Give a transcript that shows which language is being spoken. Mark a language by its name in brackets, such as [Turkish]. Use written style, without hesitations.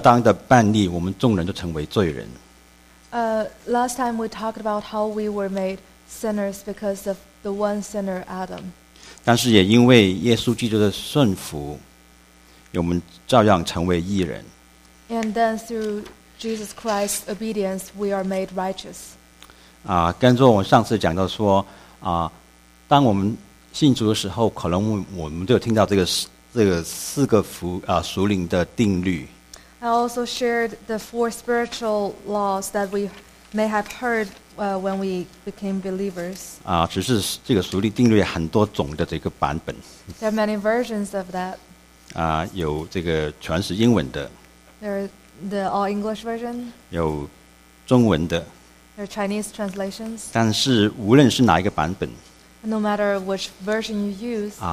[Chinese] 上次我们讲到说，我们亚当的叛逆，我们众人都成为罪人。 [English] Last time we talked about how we were made sinners because of the one sinner Adam. [Chinese] 但是也因为耶稣基督的顺服，我们照样成为义人。 [English] And then through Jesus Christ's obedience, we are made righteous. [Chinese] 跟着我上次讲到说。当我们信主的时候，可能我们都有听到这个四个属灵的定律。 [English] I also shared the four spiritual laws that we may have heard when we became believers. [Chinese] 只是这个属灵定律很多种的这个版本。 [English] There are many versions of that. [Chinese] 有这个全是英文的。 [English] There are the all English version. [Chinese] 有中文的。 [English] There are Chinese translations. [Chinese] 但是无论是哪一个版本。 [English] No matter which version you use,